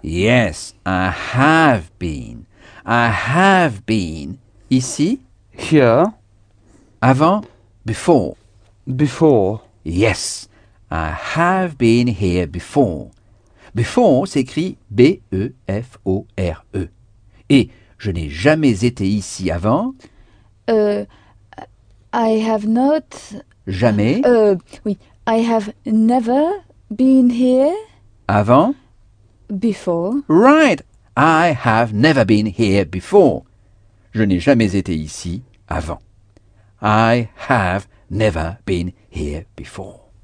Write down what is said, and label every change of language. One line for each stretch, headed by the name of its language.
English: Yes, I have been. I have been.
French: Ici.
English: Here.
French: Avant.
English: Before. Before. Yes, I have been here before.
French: Before s'écrit B-E-F-O-R-E. Et je n'ai jamais été ici avant.
English: I have not...
French: Jamais.
English: I have never been here.
French: Avant.
English: Before. Right, I have never been here before.
French: Je n'ai jamais été ici avant.
English: I have never been here before.